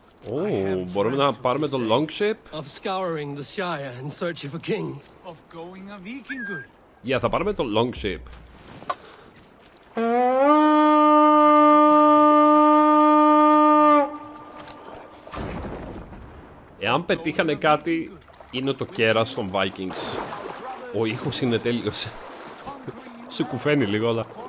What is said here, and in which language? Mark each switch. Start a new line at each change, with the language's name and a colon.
Greek: Oh, μπορούμε να πάρουμε το longship.
English: Of scouring the Shire in search of a king. Of going a Viking good.
Greek: Yeah, θα πάρουμε το longship. Εάν πετύχανε κάτι, είναι το κέρας των Vikings. Ο ήχος είναι τέλειος. Σε κουφαίνει λίγο, αλλά...